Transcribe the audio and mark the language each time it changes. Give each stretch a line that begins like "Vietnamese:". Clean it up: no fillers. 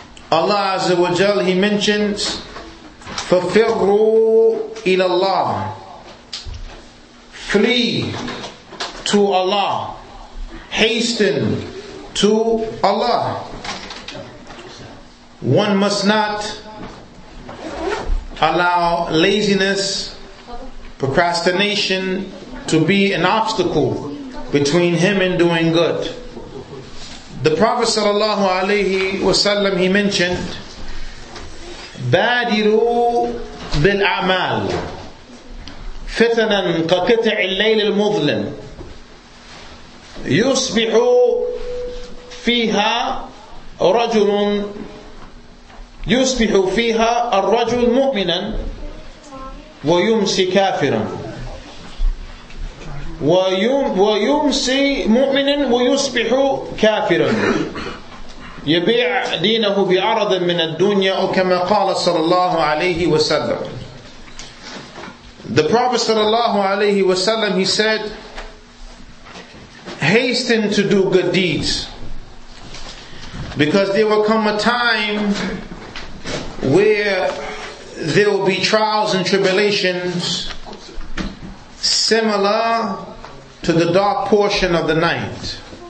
English: Allah Azza wa Jal, he mentions,
Arabic: فَفِرُّوا إِلَى اللَّهِ,
English: flee to Allah, hasten to Allah. One must not allow laziness, procrastination to be an obstacle between him and doing good. The Prophet sallallahu alaihi wasallam, he mentioned,
Arabic: بادروا بالأعمال فتنا كقطع الليل المظلم يصبح فيها رجل يصبح فيها الرجل مؤمنا ويمسي كافرا ويمسي مؤمنا ويصبح كافرا يبيع دينه بعرض من الدنيا أو كما قال صلى الله عليه وسلم.
English: The Prophet صلى الله عليه وسلم, he said, hasten to do good deeds, because there will come a time where there will be trials and tribulations similar to the dark portion of the night.